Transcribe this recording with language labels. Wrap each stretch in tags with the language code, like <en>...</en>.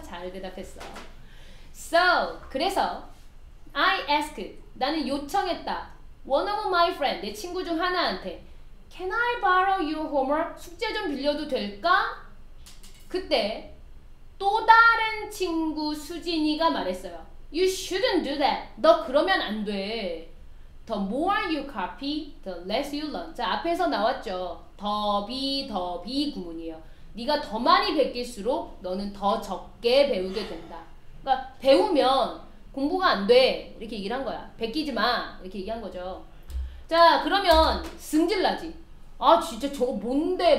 <ko>잘 대답했어. So, 그래서</ko> <en>I asked,</en> <ko>나는 요청했다.</ko> <en>One of my friends,</en> <ko>내 친구 중 하나한테</ko> <en>Can I borrow your homework?</en> <ko>숙제 좀 빌려도 될까? 그때 또 다른 친구 수진이가 말했어요.</ko> <en>You shouldn't do that.</en> <ko>너 그러면 안 돼.</ko> <en>The more you copy, the less you learn.</en> <ko>자, 앞에서 나왔죠. 더비 구문이에요. 네가 더 많이 베낄수록 너는 더 적게 배우게 된다. 그러니까 배우면 공부가 안 돼. 이렇게 얘기를 한 거야. 베끼지 마. 이렇게 얘기한 거죠. 자, 그러면 승질 나지. 아, 진짜 저거 뭔데?</ko>